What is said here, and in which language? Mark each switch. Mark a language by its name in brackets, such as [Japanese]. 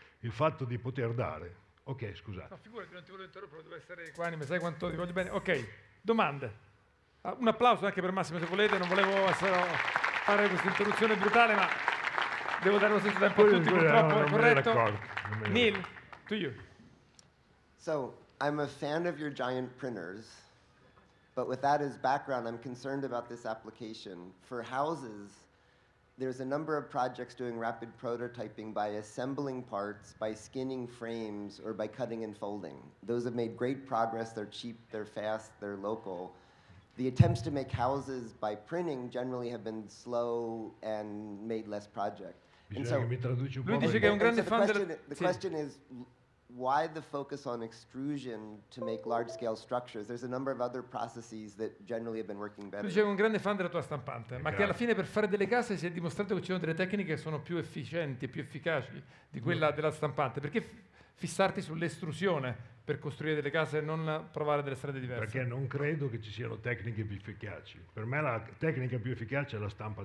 [Italian] Il fatto di poter dare. Ok, scusate. Ma figurati, non ti volevo interrompere, devo essere equanime, sai quanto ti voglio bene. Ok, domande. Un applauso anche per Massimo, se volete, non volevo fare questa interruzione brutale, ma devo dare lo stesso tempo a tutti, purtroppo, non è corretto. Neil, [English] to you. So, I'm a fan of your giant printers, but with that as background, I'm concerned about this application. For houses, there's a number of projects doing rapid prototyping by assembling parts, by skinning frames, or by cutting and folding. Those have made great progress. They're cheap, they're fast, they're local. The attempts to make houses by printing generally have been slow and made less project. And so, the question is, why the focus on extrusion to make large-scale structures? There's a number of other processes that generally have been working better. [Italian] Lui diceva un grande fan della tua stampante, ma che alla fine per fare delle case si è dimostrato che ci sono delle tecniche che sono più efficienti, più efficaci di quella della stampante. Perché fissarti sull'estrusione per costruire delle case e non provare delle strade diverse? Perché non credo che ci siano tecniche più efficaci. Per me la tecnica più efficace è la stampa 3D.